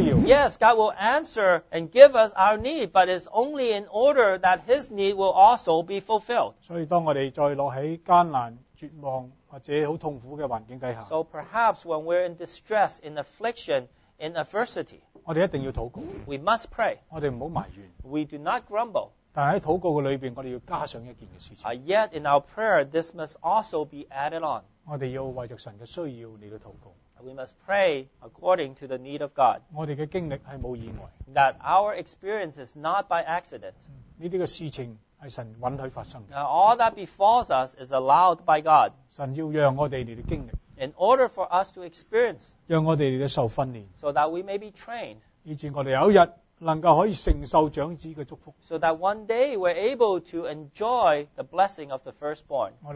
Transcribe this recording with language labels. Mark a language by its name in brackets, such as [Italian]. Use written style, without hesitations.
[English] Yes, God will answer and give us our need, but it's only in order that his need will also be fulfilled. [Chinese] 所以当我们再落在艰难、绝望或者很痛苦的环境底下， [English] so perhaps when we're in distress, in affliction, in adversity, [Chinese] 我们一定要祷告。 [English] We must pray. [Chinese] 我们不要埋怨。 [English] We do not grumble. [Chinese] 但在祷告的里面，我们要加上一件事情。 [English] Yet in our prayer, this must also be added on. [Chinese] 我们要为着神的需要来祷告。 [English] We must pray according to the need of God. [Chinese] 我们的经历是没有意外。 [English] That our experience is not by accident. [Chinese] 这些事情是神允许发生的。 [English] Now, all that befalls us is allowed by God. [Chinese] 神要让我们来经历。 [English] In order for us to experience, [Chinese] 让我们来受训练。 [English] So that we may be trained. [Chinese] 以致我们有一天 能够可以承受长子的祝福， [English] so that one day we're able to enjoy the blessing of the firstborn.